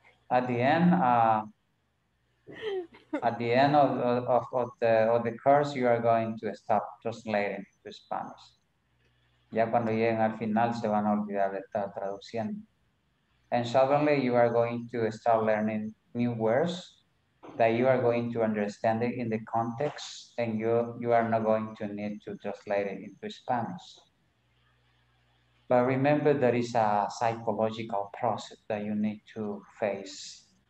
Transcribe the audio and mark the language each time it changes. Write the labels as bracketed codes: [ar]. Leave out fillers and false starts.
[en] At the end, at the end of the course, you are going to stop translating to Spanish. [es] Ya cuando lleguen al final, se van a olvidar de estar traduciendo. [en] And suddenly, you are going to start learning new words that you are going to understand it in the context, and you are not going to need to translate it into Spanish. But remember, there is a psychological process that you need to face.